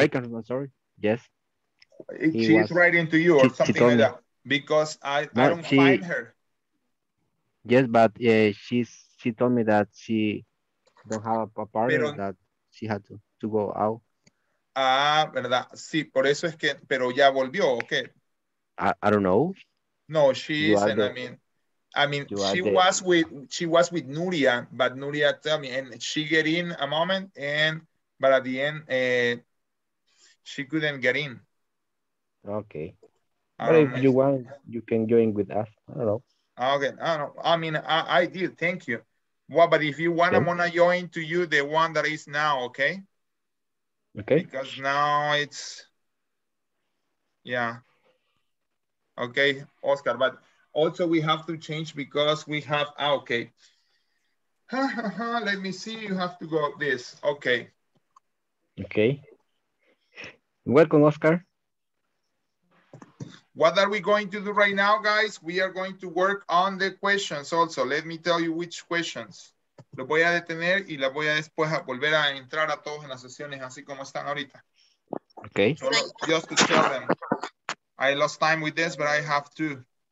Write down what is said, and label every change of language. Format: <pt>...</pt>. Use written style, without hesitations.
<en>A break room, I'm sorry. Yes. She's writing to you or something like that. Because I don't find her. Yes, but she told me that she don't have a partner, that she had to go out.</en> <es>Ah, verdad. Sí, por eso es que, pero ya volvió, ¿okay?</es> <en>I don't know. No, she isn't. I mean, she was with Nuria, but Nuria tell me, and she get in a moment, but at the end, she couldn't get in. Okay. But if you want, you can join with us. I don't know. Okay. I did. Thank you. Well, but if you want, okay. I'm going to join to you, the one that is now, okay? Okay. Because now it's, yeah. Okay, Oscar, but also we have to change because we have, okay. Let me see, you have to go up this, okay. Okay. Welcome, Oscar. What are we going to do right now, guys? We are going to work on the questions also. Let me tell you which questions.</en> <es>Lo voy a detener y la voy a después a volver a entrar a todos en las sesiones así como están ahorita.</es> <en>Okay. Solo, just to tell them. I lost time with this, but I have to.</en>